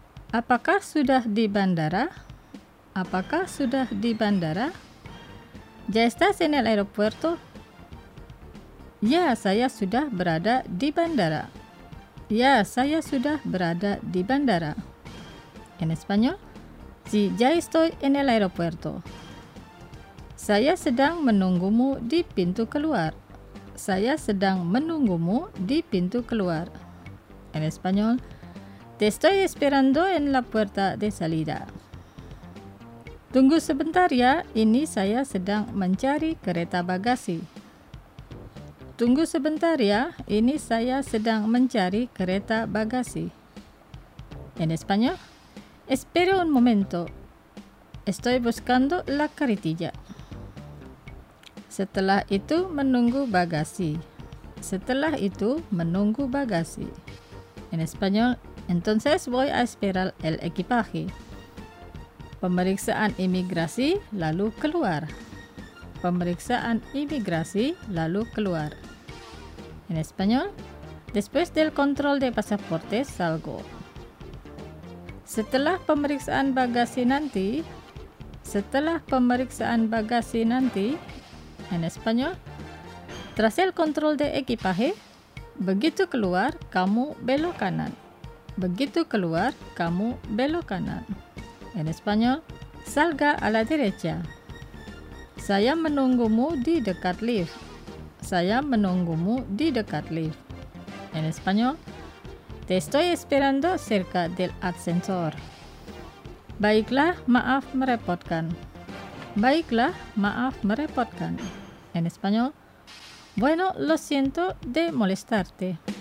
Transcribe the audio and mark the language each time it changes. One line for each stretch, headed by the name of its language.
Indonesian: ¿Apakah sudah di bandara? ¿Apakah sudah di bandara?
Spanish: ¿Ya estás en el aeropuerto?
Indonesian: Ya, saya sudah berada di bandara. Ya, saya sudah berada di bandara.
Spanish: En español. Sí, ya estoy en el aeropuerto.
Indonesian: Saya sedang menunggumu di pintu keluar. Saya sedang menunggumu di pintu keluar.
Spanish: En español, te estoy esperando en la puerta de salida.
Indonesian: Tunggu sebentar ya, ini saya sedang mencari kereta bagasi. Tunggu sebentar ya, ini saya sedang mencari kereta bagasi.
Spanish: En español, espere un momento. Estoy buscando la carretilla.
Indonesian: Setelah itu menunggu bagasi. Setelah itu menunggu bagasi.
Spanish: En español, entonces voy a esperar el equipaje.
Indonesian: Pemeriksaan imigrasi lalu keluar. Pemeriksaan imigrasi lalu keluar.
Spanish: En español, después del control de pasaporte salgo.
Indonesian: Setelah pemeriksaan bagasi nanti. Setelah pemeriksaan bagasi nanti.
Spanish: En español, tras el control de equipaje,
Indonesian: begitu keluar, kamu belok kanan. Begitu keluar, kamu belok kanan.
Spanish: En español, salga a la derecha.
Indonesian: Saya menunggumu di dekat lift. Saya menunggumu di dekat lift.
Spanish: En español, te estoy esperando cerca del ascensor.
Indonesian: Baiklah, maaf merepotkan. Baiklah, maaf merepotkan.
Spanish: En español, bueno, lo siento de molestarte.